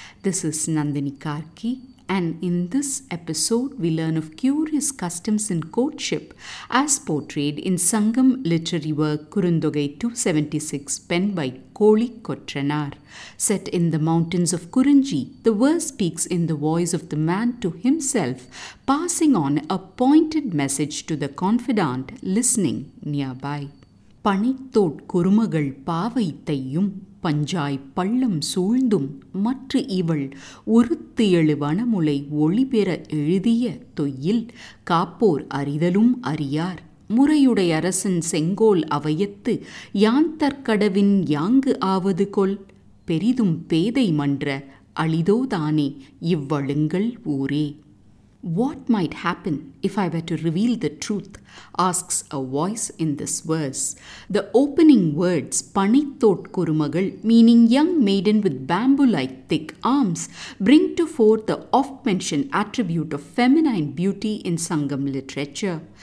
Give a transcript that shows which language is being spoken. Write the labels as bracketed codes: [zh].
[en] This is Nandini Karki, and in this episode we learn of curious customs in courtship as portrayed in Sangam literary work Kurundogai 276, penned by Koli Kotranar. Set in the mountains of Kurunji, the verse speaks in the voice of the man to himself, passing on a pointed message to the confidant listening nearby. [ta] பனைத்தோட் குருமகள் பாவைத்தையும் பஞ்சாய் பள்ளம் சூழ்ந்தும் மற்ற இவள் உறுத்து எழு வனமுலை ஒளிபெற எழுதிய தொய்யில் காப்போர் அறிதலும் அறியார் முறையுடை அரசன் செங்கோல் அவையத்து யாந்தற்கடவின் யாங்கு ஆவது கொல் பெரிதும் பேதை மன்ற அளிதோதானே இவ்வழுங்கள் ஊரே. [en] What might happen if I were to reveal the truth? Asks a voice in this verse. The opening words, Panithot Kurumagal, meaning young maiden with bamboo-like thick arms, bring to fore the oft-mentioned attribute of feminine beauty in Sangam literature.